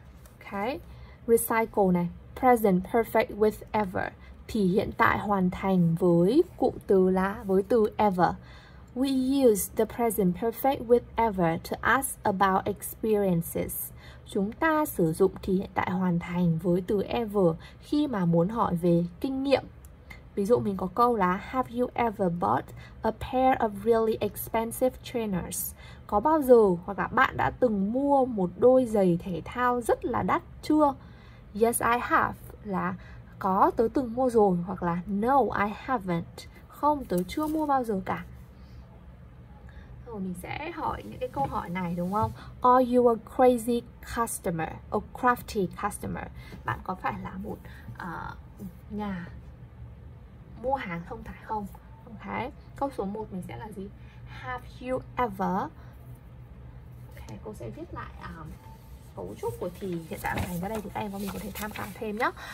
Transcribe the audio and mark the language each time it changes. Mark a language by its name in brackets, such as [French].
[Vietnamese] Ok, recycle này, [English] present perfect with ever, [Vietnamese] thì hiện tại hoàn thành với cụm từ là với từ ever. [English] We use the present perfect with ever to ask about experiences. [Vietnamese] Chúng ta sử dụng thì hiện tại hoàn thành với từ ever khi mà muốn hỏi về kinh nghiệm. Ví dụ mình có câu là [English] have you ever bought a pair of really expensive trainers? [Vietnamese] Có bao giờ hoặc là bạn đã từng mua một đôi giày thể thao rất là đắt chưa? [English] Yes, I have [Vietnamese] là có, tớ từng mua rồi, hoặc là [English] no, I haven't, [Vietnamese] không, tớ chưa mua bao giờ cả. thường mình sẽ hỏi những cái câu hỏi này đúng không? [English] Are you a crazy customer, a crafty customer? [Vietnamese] Bạn có phải là một nhà mua hàng thông thái không? Ok, câu số 1 mình sẽ là gì? [English] Have you ever? [Vietnamese] Ok, cô sẽ viết lại cấu trúc của thì hiện tại thành ra đây thì các em và mình có thể tham khảo thêm nhé.